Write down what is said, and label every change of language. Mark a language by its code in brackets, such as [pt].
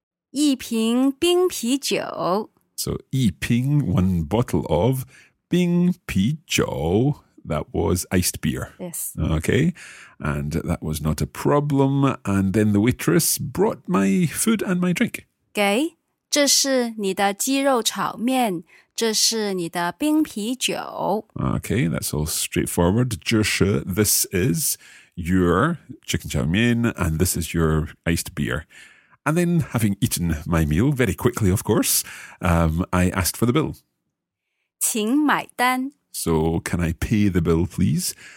[zh] 一瓶冰啤酒。 [en] So [zh] 一瓶, [en] one bottle of 冰啤酒。 That was iced beer. Yes. Okay. And that was not a problem. And then the waitress brought my food and my drink. [zh] 给，这是你的鸡肉炒面，这是你的冰啤酒。 [en] Okay, that's all straightforward. [zh] 这是, [en] this is your chicken 炒面and this is your iced beer. And then having eaten my meal very quickly, of course, I asked for the bill. [zh] 请买单。 [en] So can I pay the bill, please?